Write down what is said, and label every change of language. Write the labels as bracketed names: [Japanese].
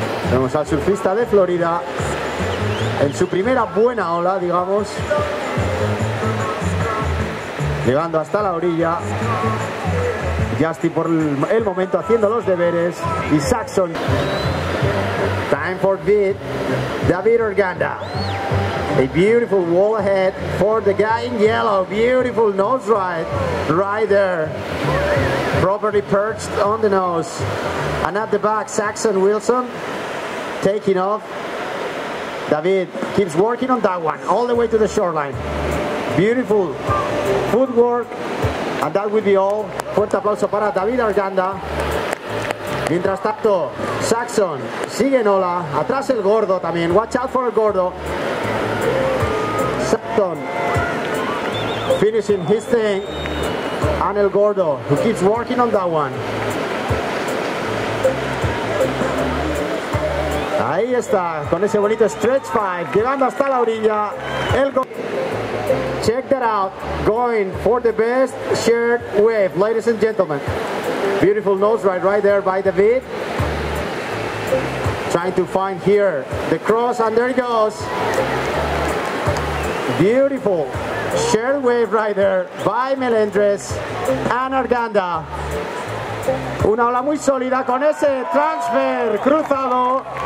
[Spanish] Vemos al surfista de Florida en su primera buena ola, digamos, llegando hasta la orilla. Justin por el momento haciendo los deberes y Saxon. [English] Time for beat, David Arganda. A beautiful wall ahead for the guy in yellow. Beautiful nose ride right there. Properly perched on the nose. And at the back, Saxon Wilson taking off. David keeps working on that one all the way to the shoreline. Beautiful footwork. And that will be all. [Spanish] Fuerte aplauso para David Arganda. Mientras tanto, Saxon sigue en ola. Atrás el Gordo también. [English] Watch out for el Gordo. Saxon finishing his thing. And el Gordo, who keeps working on that one. [Spanish] Ahí está, con ese bonito stretch five, llegando hasta la orilla. [English] El check that out, going for the best shared wave, ladies and gentlemen. Beautiful nose ride right there by David. Trying to find here the cross, and there he goes. Beautiful shared wave right there by Melendres and Arganda. [Spanish] Una ola muy sólida con ese transfer cruzado.